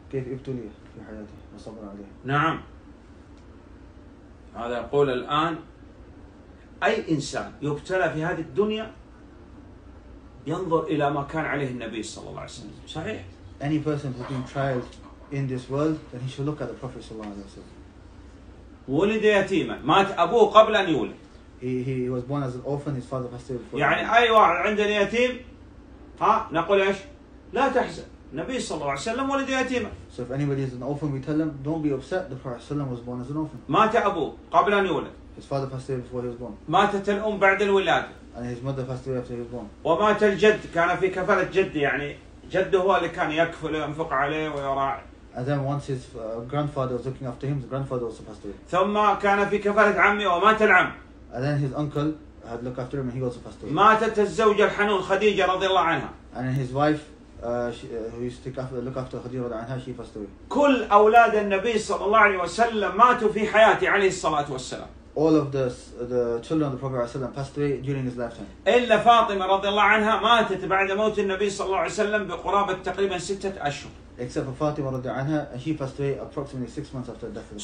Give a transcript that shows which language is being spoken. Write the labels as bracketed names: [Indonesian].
[Arabic] كيف ابتلي في حياتي وصبر عليه؟ نعم. هذا يقول الآن أي إنسان يبتلى في هذه الدنيا ينظر إلى ما كان عليه النبي صلى الله عليه وسلم. صحيح. [English] Any person who's been trialed in this world, then he should look at the Prophet [Arabic] صلى الله عليه وسلم. ولد يتيما. مات أبوه قبل أن يولد. [English] He was born as an orphan. His father passed away. [Arabic] يعني أي واحد عندنا يتيم، ها نقول إيش؟ لا تحزن. النبي صلى الله عليه وسلم ولد يتيما. [English] So if anybody is an orphan, we tell them, don't be upset. The Prophet [Arabic] صلى الله عليه وسلم [English] was born as an orphan. [Arabic] مات أبوه قبل أن يولد. [English] His father passed away before he was born. [Arabic] ماتت الأم بعد الولادة. [English] And his mother passed away after he was born. [Arabic] ومات الجد كان في كفالة جد يعني جده هو اللي كان يكفل وينفق عليه ويراعي. [English] And then once his grandfather was looking after him, the grandfather also passed away. [Arabic] ثم كان في كفالة عمي ومات العم. [English] And then his uncle had looked after him, and he also passed away. [Arabic] ماتت الزوجة الحنون خديجة رضي الله عنها. [English] And his wife, who used to look after خديجة [Arabic] رضي الله عنها, [English] she passed away. [Arabic] كل أولاد النبي صلى الله عليه وسلم ماتوا في حياتي عليه الصلاة والسلام. [English] All of the children of the Prophet [Arabic] صلى الله عليه وسلم [English] passed away during his lifetime. [Arabic] إلا فاطمة رضي الله عنها ماتت بعد موت النبي صلى الله عليه وسلم بقرابة تقريبا ستة أشهر. [English] except for Fatima [Arabic] رضي عنها, [English] and she passed away approximately 6 months after the death of the